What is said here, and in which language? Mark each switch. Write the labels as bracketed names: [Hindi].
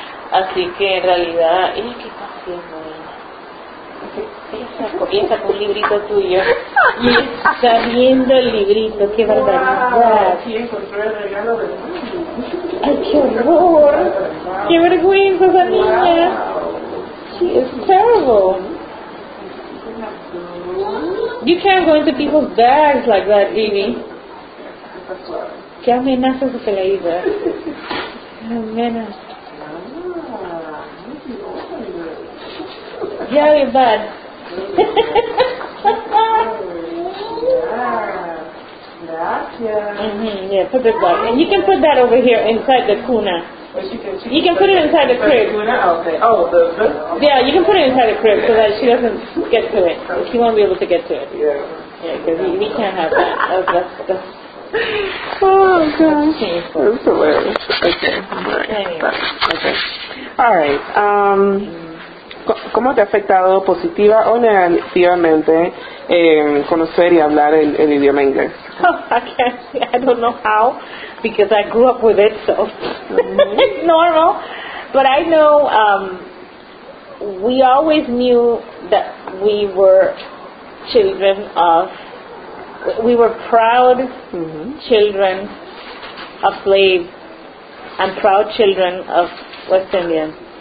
[Spanish] Así que en realidad, ¿y qué está haciendo ahí? Comienza con un librito tuyo y está viendo el librito. ¡Qué barbaridad! ¡Wow! Sí, encontré el regalo del mundo. ¡Ay, qué horror! ¡Qué vergüenza esa niña! [English] ¡She is terrible! You can't go into people's bags like that, Amy. [Spanish] ¿Qué amenaza se le ha ido? Amenaza. [English] Yeah, you're bad. [Spanish] Gracias. [English] Yeah, put this back. And you can put that over here inside the cuna. You can put it inside the crib. You can put it inside the crib so that she doesn't get to it. She won't be able to get to it. Yeah. Because we can't have that. That's oh gosh, that's hilarious. Okay, all right. [Spanish] ¿Cómo te ha afectado positiva o negativamente conocer y hablar el idioma inglés? [English] I don't know how, because I grew up with it, so it's normal. But I know we always knew that we were children of. We were proud children of slaves and proud children of West Indians.